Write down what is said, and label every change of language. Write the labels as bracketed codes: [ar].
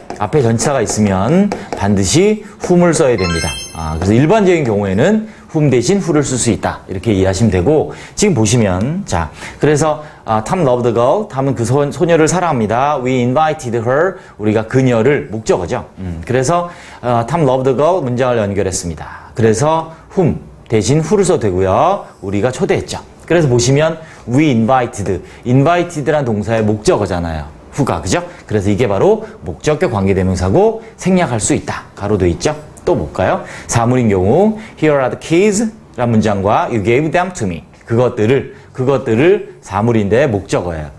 [ko] 앞에 전치사가 있으면 반드시 훔을 써야 됩니다. 그래서 일반적인 경우에는 훔 대신 후를 쓸 수 있다. 이렇게 이해하시면 되고 지금 보시면 자, 그래서 [en] Tom loved the girl. [ko] Tom은 그 소녀를 사랑합니다. [en] We invited her. [ko] 우리가 그녀를 목적어죠. 그래서 [en] Tom loved the girl [ko] 문장을 연결했습니다. 그래서 whom 대신 who를 써도 되고요. 우리가 초대했죠. 그래서 보시면 [en] we invited. [ko] invited란 동사의 목적어잖아요. who가 그죠? 그래서 이게 바로 목적격 관계대명사고 생략할 수 있다. 가로도 있죠. 또 볼까요? 사물인 경우 [en] here are the keys [ko] 란 문장과 [en] you gave them to me. [ko] 그것들을 사물인데 목적어예요.